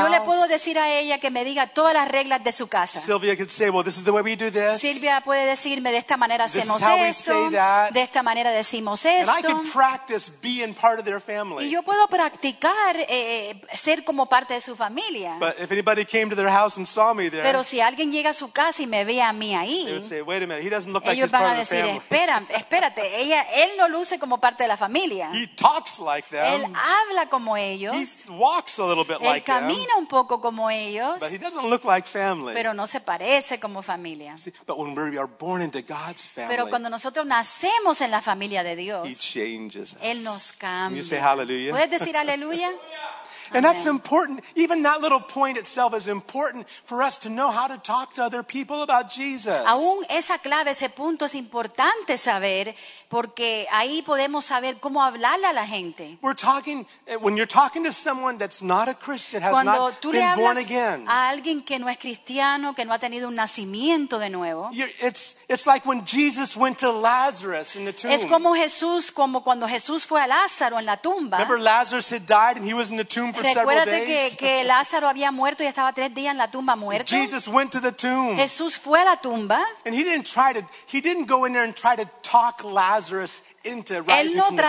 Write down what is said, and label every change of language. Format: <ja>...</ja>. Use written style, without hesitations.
<es>Yo le puedo decir a ella que me diga todas las reglas de su casa.</es> <en>Sylvia could say, well, this is the way we do this.</en> <es>Silvia puede decirme de esta manera hacemos</es> <en>this is how</en> <es>esto.</es> <en>We say that.</en> <es>De esta manera decimos esto.</es> <en>And I could practice being part of their family.</en> <es>Y yo puedo practicar ser como parte de su familia.</es> <en>But if anybody came to their house and saw me there,</en> <es>pero si alguien llega a su casa y me ve a mí ahí,</es> <en>they would say, wait a minute, he doesn't look like he's part of the family.</en> <es>Ellos van a decir, espérate, él no luce como parte de la familia.</es> <en>He talks like them.</en> <es>Él habla como ellos.</es> <en>He walks a little bit</en> <es>él</es> <en>like</en> <es>camina</es> <en>them.</en> <es>Un poco como ellos.</es> <en>But he doesn't look like family.</en> <es>Pero no se parece como familia.</es> <en>See, but when we are born into God's family,</en> <es>pero cuando nosotros nacemos en la familia de Dios,</es> <en>he changes us.</en> <es>Él nos cambia.</es> <en>Can you say hallelujah?</en> <es>¿Puedes decir aleluya?</es> <en>And that's important. Even that little point itself is important for us to know how to talk to other people about Jesus.</en> <es>Aún esa clave, ese punto es importante saber porque ahí podemos saber cómo hablarle a la gente.</es> <en>We're talking when you're talking to someone that's not a Christian, has</en> <es>cuando</es> <en>not been born again.</en> <es>A alguien que no es cristiano, que no ha tenido un nacimiento de nuevo.</es> <en>It's like when Jesus went to Lazarus in the tomb.</en> <es>Es como Jesús, como cuando Jesús fue a Lázaro en la tumba.</es> <en>Remember Lazarus had died and he was in the tomb.</en> <es>Recuérdate que Lázaro había muerto y estaba tres días en la tumba muerto.</es> <en>Jesus went to the tomb.</en> <es>Jesús fue a la tumba.</es> <en>And he didn't go in there and try to talk Lazarus into rising from the dead.</en>